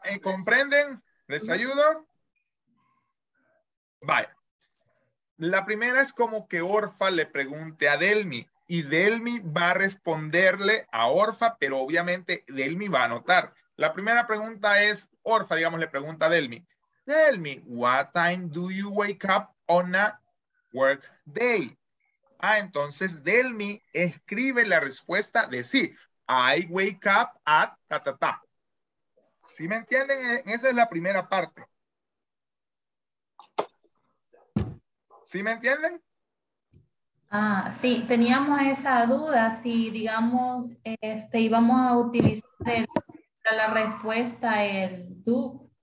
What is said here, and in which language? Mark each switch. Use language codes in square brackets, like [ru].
[es] Pregunta, ¿comprenden? ¿Les ayudo? Vaya, la primera es como que Orfa le pregunte a Delmi y Delmi va a responderle a Orfa, pero obviamente Delmi va a anotar. La primera pregunta es, Orfa, digamos, le pregunta a Delmi. [en] Delmi, what time do you wake up on a work day? [es] Ah, entonces Delmi escribe la respuesta de sí. [en] I wake up at ta ta ta. [es] ¿Sí me entienden? Esa es la primera parte. ¿Sí me entienden? Ah, sí, teníamos esa duda, si digamos, este, íbamos a utilizar para la respuesta el do.